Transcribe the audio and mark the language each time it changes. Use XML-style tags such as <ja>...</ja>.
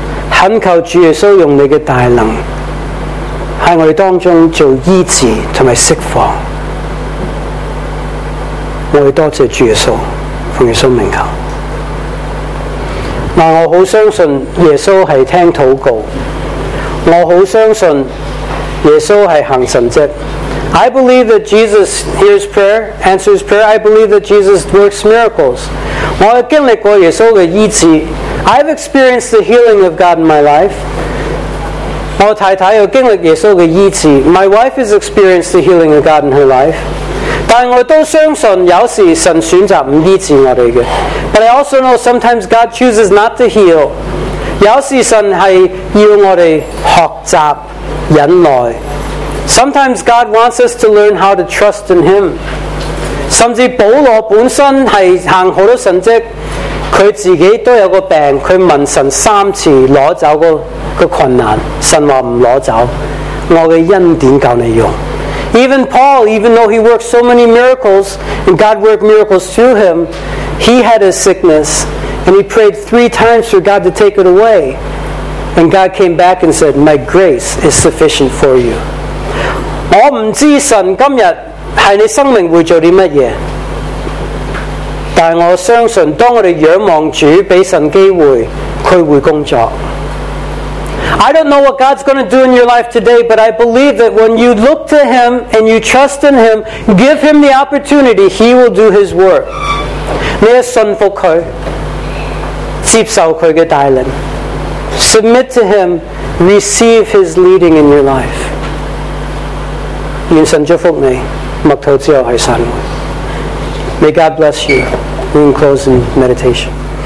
<zh>恳求主耶稣用你的大能在我们当中做医治和释放。我们多谢主耶稣，奉耶稣名求。我很相信耶稣是听祷告，我很相信耶稣是行神迹。</zh> <en>I believe that Jesus hears prayer, answers prayer. I believe that Jesus works miracles.</en> <zh>我经历过耶稣的医治。</zh> <en>I've experienced the healing of God in my life.</en> <zh>我太太有经历耶稣的医治。</zh> <en>My wife has experienced the healing of God in her life.</en> <zh>但我都相信有时神选择不医治我们的。</zh> <en>But I also know sometimes God chooses not to heal.</en> <zh>有时神是要我们学习忍耐。</zh> <en>Sometimes God wants us to learn how to trust in Him.</en> <zh>甚至保罗本身是行好多神迹，他自己都有个病，他问神三次拿走个困难，神话不拿走，我的恩典够你用。</zh> <en>Even Paul, even though he worked so many miracles, and God worked miracles through him, he had a sickness, and he prayed three times for God to take it away. And God came back and said, My grace is sufficient for you.</en> <zh>我不知道神今天在你生命会做什么，但我相信当我们仰望主给神机会，祂会工作。</zh> <en>I don't know what God's going to do in your life today, but I believe that when you look to Him and you trust in Him, give Him the opportunity, He will do His work.</en> <zh>你要信服祂，接受祂的带领，</zh> <en>submit to Him, receive His leading in your life.</en> <zh>愿神祝福你，默祷之后系散会。</zh> <en>May God bless you. We'll close in meditation.</en>